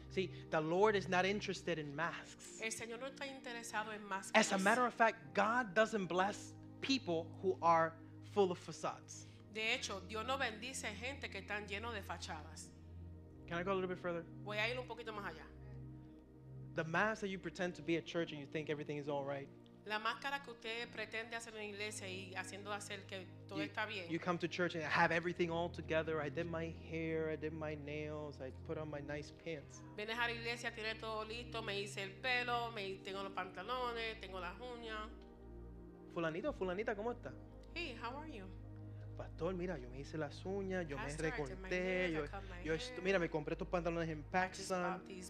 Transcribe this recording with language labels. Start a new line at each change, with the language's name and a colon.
English: See, the Lord is not interested in masks.
Spanish: El Señor no está interesado en máscaras.
English: As a matter of fact, God doesn't bless people who are full of facades.
Spanish: De hecho, Dios no bendice gente que están lleno de fachadas.
English: Can I go a little bit further?
Spanish: Voy a ir un poquito más allá.
English: The mask that you pretend to be at church and you think everything is all right.
Spanish: La máscara que usted pretende hacer en la iglesia y haciendo hacer que todo está bien.
English: You come to church and I have everything all together. I did my hair, I did my nails, I put on my nice pants.
Spanish: Vienes a la iglesia, tiene todo listo, me hice el pelo, me tengo los pantalones, tengo las uñas. Fulanito, fulanita, ¿cómo está?
English: Hey, how are you?
Spanish: Pastor, mira, yo me hice las uñas, yo me recorté, mira, me compré estos pantalones en PacSun.